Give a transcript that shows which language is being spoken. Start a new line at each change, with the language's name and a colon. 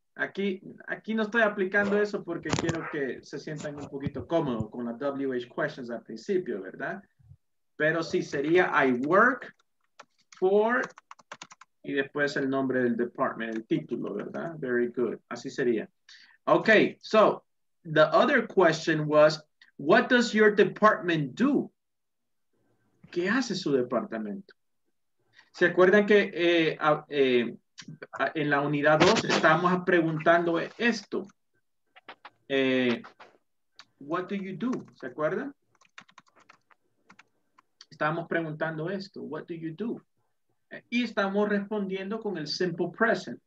Spanish: Aquí no estoy aplicando eso porque quiero que se sientan un poquito cómodos con las WH questions al principio, ¿verdad? Pero sí, sería
English: I work for,
Spanish: y después el nombre del department, el título, ¿verdad?
English: Very good.
Spanish: Así sería.
English: Okay, so the other question was, what does your department do?
Spanish: ¿Qué hace su departamento? ¿Se acuerdan que en la unidad 2 estábamos preguntando esto?
English: What do you do?
Spanish: ¿Se acuerdan? Estábamos preguntando esto.
English: What do you do?
Spanish: Y estamos respondiendo con el simple present.